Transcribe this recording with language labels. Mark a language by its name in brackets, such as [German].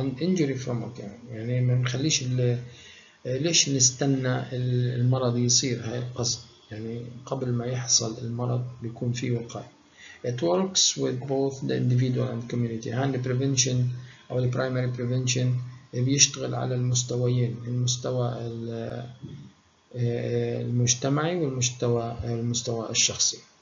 [English] An injury from occurring [Arabic] يعني ما نخليش ليش نستنى المرض يصير، هاي القصد، يعني قبل ما يحصل المرض بيكون في وقاية. [English] It works with both the individual and community. [Arabic] هاي [English] the prevention [Arabic] أو [English] the primary prevention [Arabic] بيشتغل على المستويين، المستوى المجتمعي والمستوى الشخصي.